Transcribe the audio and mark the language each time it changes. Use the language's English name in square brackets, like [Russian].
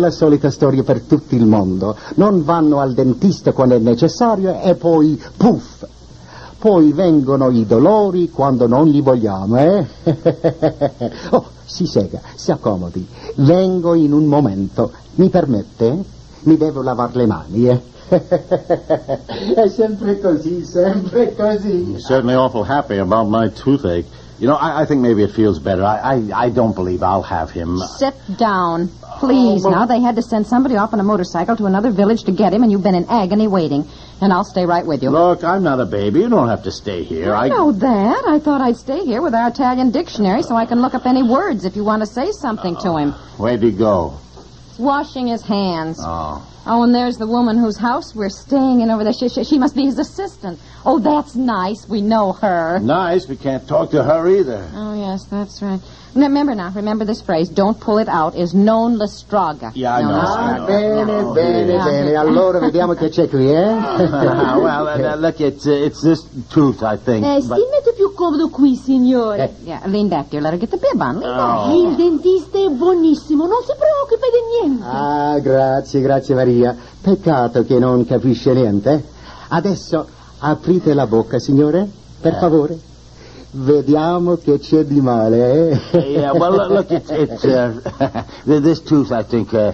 [Italian] La solita storia per tutto il mondo. Non vanno al dentista quando è necessario e poi, puff, poi vengono i dolori quando non li vogliamo, eh? Oh, si sega, si accomodi. Vengo in un momento. Mi permette? Mi devo lavare le mani, eh? È sempre così, sempre così. [English] I'm certainly awful happy about my toothache. You know, I think maybe it feels better. I don't believe I'll have him. Sit down, please. Oh, but... Now, they had to send somebody off on a motorcycle to another village to get him, and you've been in agony waiting. And I'll stay right with you. Look, I'm not a baby. You don't have to stay here. I know that. I thought I'd stay here with our Italian dictionary so I can look up any words if you want to say something to him. Where'd he go? He's washing his hands. Oh. Oh, and there's the woman whose house we're staying in over there. She must be his assistant. Oh, that's nice. We know her. Nice? We can't talk to her either. Oh, yes, that's right. Now, remember this phrase, don't pull it out, is [Italian] non la straga. [English] Yeah, I know. [Italian] Bene. Allora, vediamo che c'è qui, eh? [English] Look, it's this tooth, I think. [Italian] Si mette più comodo qui, signore. [English] Yeah, lean back, dear. Let her get the bib on. Lean back. [Italian] Il dentista è buonissimo. Non si preoccupi di niente. Ah, grazie, Maria. Peccato che non capisce niente. Adesso, aprite la bocca, signore, per favore. Vediamo che c'è di male, eh? [English] Yeah, well, look, it's this tooth, I think.